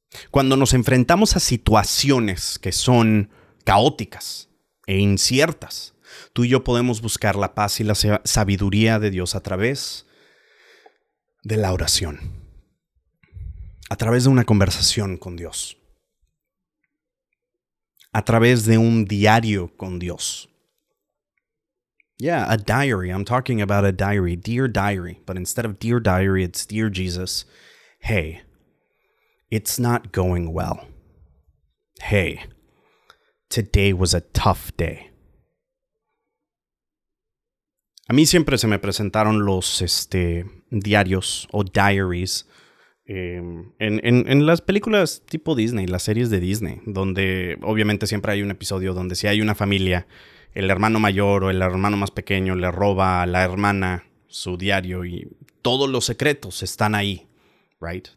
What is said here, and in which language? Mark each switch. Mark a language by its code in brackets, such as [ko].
[es] Cuando nos enfrentamos a situaciones que son caóticas e inciertas, tú y yo podemos buscar la paz y la sabiduría de Dios a través de la oración, a través de una conversación con Dios, a través de un diario con Dios. [en] Yeah, a diary. I'm talking about a diary, dear diary. But instead of dear diary, it's dear Jesus. Hey, it's not going well. Hey, today was a tough day. [es] A mí siempre se me presentaron los diarios o diaries en las películas tipo Disney, las series de Disney, donde obviamente siempre hay un episodio donde si hay una familia, el hermano mayor o el hermano más pequeño le roba a la hermana su diario y todos los secretos están ahí, [en] right?